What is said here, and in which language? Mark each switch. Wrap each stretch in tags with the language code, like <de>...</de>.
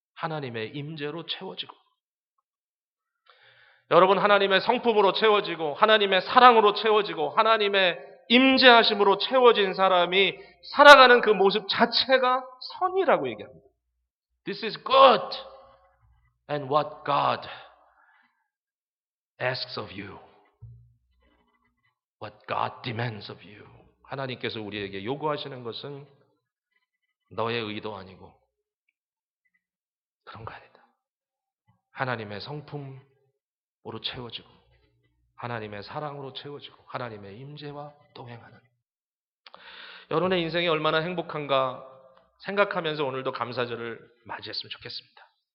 <ko>하나님의 임재로 채워지고 여러분 하나님의 성품으로 채워지고 하나님의 사랑으로 채워지고 하나님의 임재하심으로 채워진 사람이 살아가는 그 모습 자체가 선이라고 얘기합니다.</ko> <en>This is good. And what God asks of you, what God demands of you.</en> <ko>하나님께서 우리에게 요구하시는 것은 너의 의도 아니고 그런 거 아니다. 하나님의 성품으로 채워지고 하나님의 사랑으로 채워지고 하나님의 임재와 동행하는 여러분의 인생이 얼마나 행복한가 생각하면서 오늘도 감사절을 맞이했으면 좋겠습니다.</ko>